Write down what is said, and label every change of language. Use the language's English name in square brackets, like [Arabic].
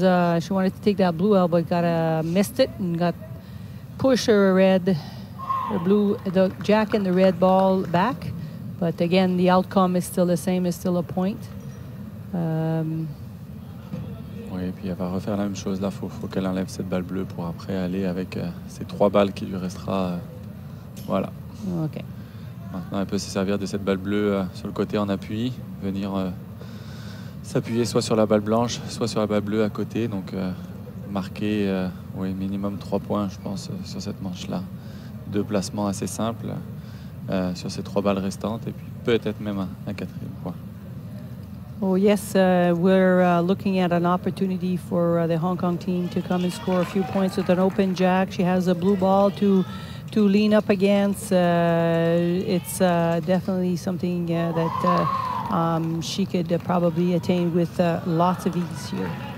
[English] She wanted to take that blue elbow, but missed it and got push the jack and the red ball back. But again, the outcome is still the same. It's still a point. [French] Oui, et puis elle va refaire la même chose là. Faut qu'elle enlève cette balle bleue pour après aller avec ces 3 balles qui lui restera. Voilà. Okay. Maintenant, elle peut se servir de cette balle bleue sur le côté en appui, venir s'appuyer soit sur la balle blanche, soit sur la balle bleue à côté. Donc, marquer minimum 3 points, je pense, sur cette manche-là. 2 placements assez simples sur ces 3 balles restantes et puis peut-être même un quatrième point. [English] Oh yes, we're looking at an opportunity for the Hong Kong team to come and score a few points with an open jack. She has a blue ball to lean up against. It's definitely something that she could probably attain with lots of ease here.